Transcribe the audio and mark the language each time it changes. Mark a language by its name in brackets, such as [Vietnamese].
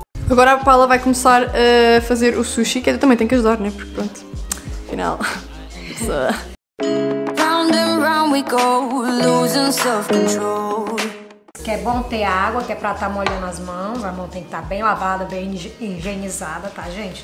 [Portuguese] Agora a Paula vai começar a fazer o sushi, que eu também tenho que ajudar, né? Porque pronto, afinal. [English] Round and round we we go, losing self-control. [Portuguese] Que é bom ter água, que é pra tá molhando as mãos. A mão tem que estar bem lavada, bem higienizada, tá, gente?